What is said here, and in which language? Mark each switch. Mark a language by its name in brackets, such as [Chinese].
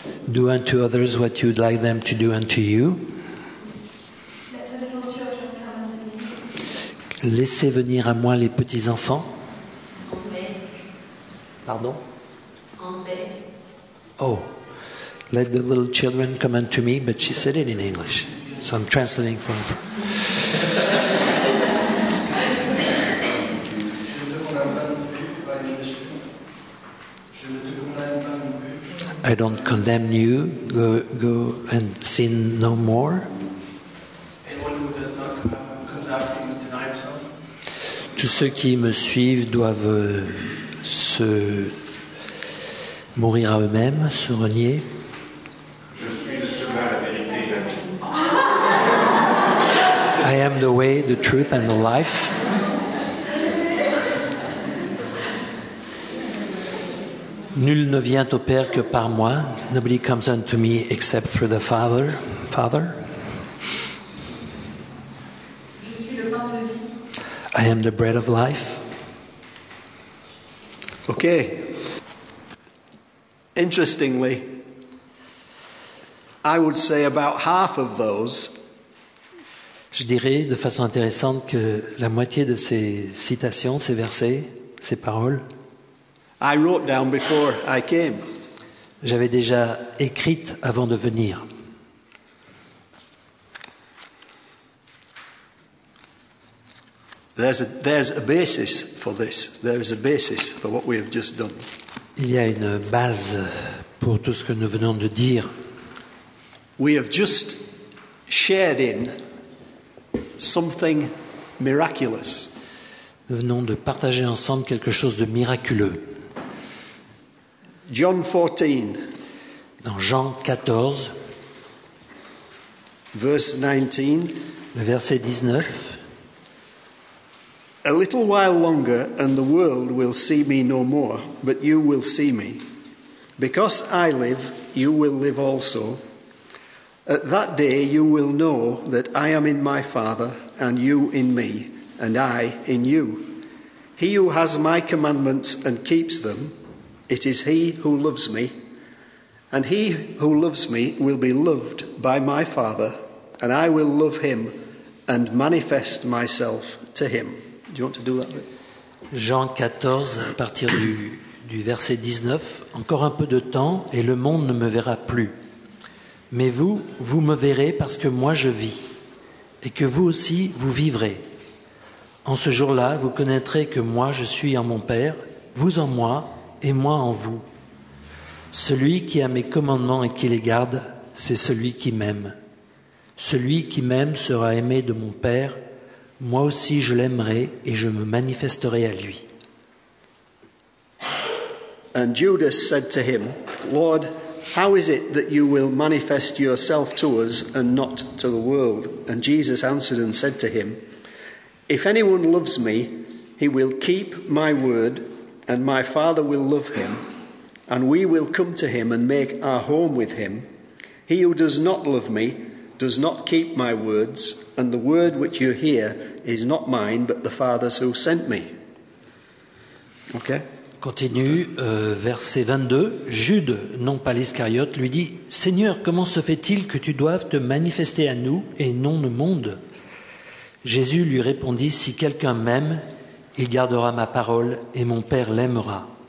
[English] Do unto others what you'd like them to do unto you. [French] Laissez venir à moi les petits enfants. [English] Pardon? Oh, let the little children come unto me, but she said it in English. So I'm translating for her. I don't condemn you. Go and sin no more. Anyone who does not comes after me must deny himself. [French] Tous ceux qui me suivent doivent se mourir à eux-mêmes, se renier. Je suis le chemin, la vérité et la vie. [English] I am the way, the truth, and the life. [French] Nul ne vient au Père que par moi. [English] Nobody comes unto me except through the Father. Father. [French] Je suis le pain de vie. [English] I am the bread of life. Okay. Interestingly, I would say about half of those. [French] Je dirais de façon intéressante que la moitié de ces citations, ces versets, ces paroles. [English] I wrote down before I came. [French] J'avais déjà écrite avant de venir. [English] There's a basis for this. There is a basis for what we have just done. [French] Il y a une base pour tout ce que nous venons de dire. [English] We have just shared in something miraculous. [French] Nous venons de partager ensemble quelque chose de miraculeux. [English] John 14. [French] Dans Jean 14. [English] Verse 19. [French] Le verset 19. [English] A little while longer and the world will see me no more, but you will see me. Because I live, you will live also. At that day you will know that I am in my Father and you in me and I in you. He who has my commandments and keeps them, it is he who loves me, and he who loves me will be loved by my Father, and I will love him and manifest myself to him. Do you want to do that? [French] Jean 14, à partir du verset 19, encore un peu de temps, et le monde ne me verra plus. Mais vous, vous me verrez parce que moi je vis, et que vous aussi vous vivrez. En ce jour-là, vous connaîtrez que moi je suis en mon Père, vous en moi, et moi en vous. Celui qui a mes commandements et qui les garde, c'est celui qui m'aime. Celui qui m'aime sera aimé de mon Père. Moi aussi je l'aimerai et je me manifesterai à lui. [English] And Judas said to him, Lord, how is it that you will manifest yourself to us and not to the world? And Jesus answered and said to him, if anyone loves me, he will keep my word. And my Father will love him, and we will come to him and make our home with him. He who does not love me does not keep my words, and the word which you hear is not mine, but the Father's who sent me. Okay. [French] Continue, verset 22. Jude, non pas l'Iscariote, lui dit, « Seigneur, comment se fait-il que tu doives te manifester à nous et non au monde ?» Jésus lui répondit, « Si quelqu'un m'aime, il gardera ma parole et mon Père l'aimera.